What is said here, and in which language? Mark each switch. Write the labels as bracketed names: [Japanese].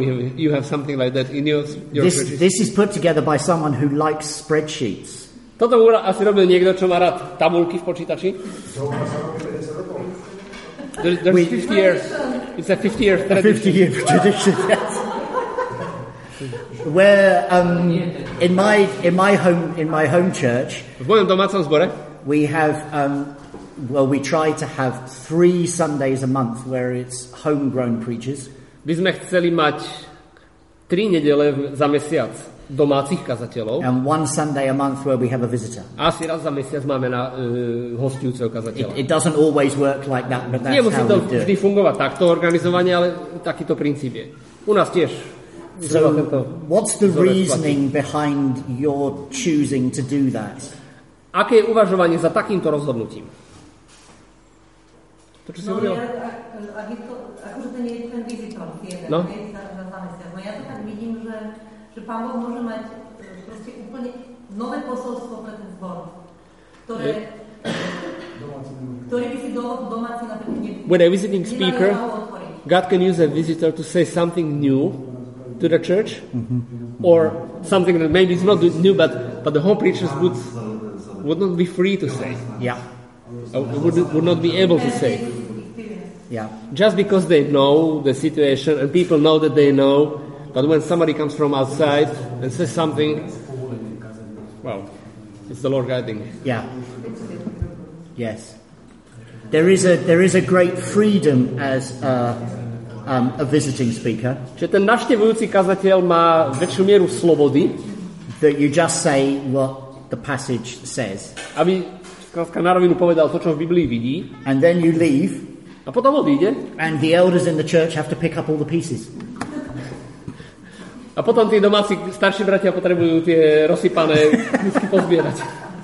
[English] You have something like that in your churches. This is put together by someone who likes spreadsheets. [Slovak] Toto asi robil niekto, čo má rád tabulky v počítači. [English] There's 50 years. It's a 50-year tradition. 50-year tradition, yes. Where in my home church, [Slovak] v mojom domácom zbore, [English] we have we try to have 3 Sundays a month where it's homegrown preachers. [Slovak] By sme chceli mať 3 nedele za mesiac domácich kazateľov. [English] And one Sunday a month where we have a visitor. [Slovak] Asi raz za mesiac máme na hostujúceho kazateľa. [English] It doesn't always work like that, but that's how we do. [Slovak] Nie musí to fungovať takto organizovanie, ale takýto princíp je. U nás tiež. [English] So what's the reasoning behind your choosing to do that? [Slovak] Aké je uvažovanie za takýmto rozhodnutím? To, čo si hovoril? No, akože to nie je ten vizitor, jeden, no? Je za mesiac. No ja to tak vidím, že Pán Boh môže mať proste úplne nové posolstvo pre ten zbor, ktoré by si domáci napríklad nevidel. [English] When a visiting speaker, God can use a visitor to say something new to the church, mm-hmm. or something that maybe is not new, but the home preachers would not be free to say. Yeah. Would not be able to say. Yeah. Just because they know the situation, and people know that they know, but when somebody comes from outside and says something, well, it's the Lord guiding. Yeah. Yes. There is a great freedom as a visiting speaker. [Slovak] Že ten navštevujúci kazateľ má väčšiu mieru slobody. [English] That you just say what the passage says. [Slovak] Aby skazka na rovinu povedal to, čo v Biblii vidí. [English] And then you leave. [Slovak] A potom odíde. [English] And the elders in the church have to pick up all the pieces. [Slovak] A potom tí domáci starší bratia potrebujú tie rozsypané misky pozbierať.